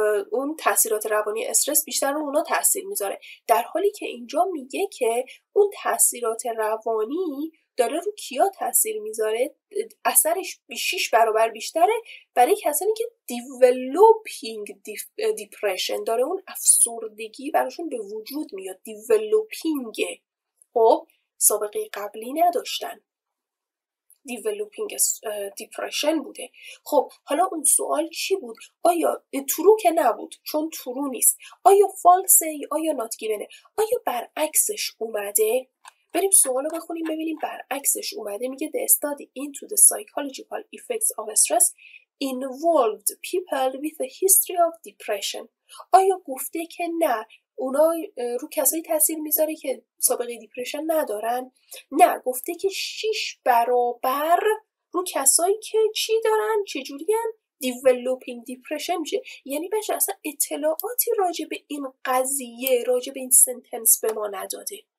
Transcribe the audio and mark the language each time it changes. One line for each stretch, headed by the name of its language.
Persian: اون تاثیرات روانی استرس بیشتر رو اونا تاثیر میذاره، در حالی که اینجا میگه که اون تاثیرات روانی داره رو کیا تاثیر میذاره، اثرش 6 برابر بیشتره برای کسانی که
English: developing depression
Persian: داره، اون افسردگی براشون به وجود میاد، developing خب سابقه قبلی نداشتن، developing depression بوده. خب حالا اون سوال چی بود؟ آیا ترو که نبود، چون ترو نیست، آیا فالسه، آیا نات گیونه، آیا برعکسش اومده؟ بریم سوال رو بخونیم ببینیم برعکسش اومده. میگه
English: the study into the psychological effects of stress involved people with a history of depression.
Persian: آیا گفته که نه اونا رو کسایی تاثیر میذاره که سابقه دیپریشن ندارن؟ نه، گفته که 6 برابر رو کسایی که چی دارن، چه جوریان دیولوپینگ دیپرشن میشه. یعنی بهش اصلا اطلاعاتی راجع به این قضیه، راجع به این سنتنس به ما نداده.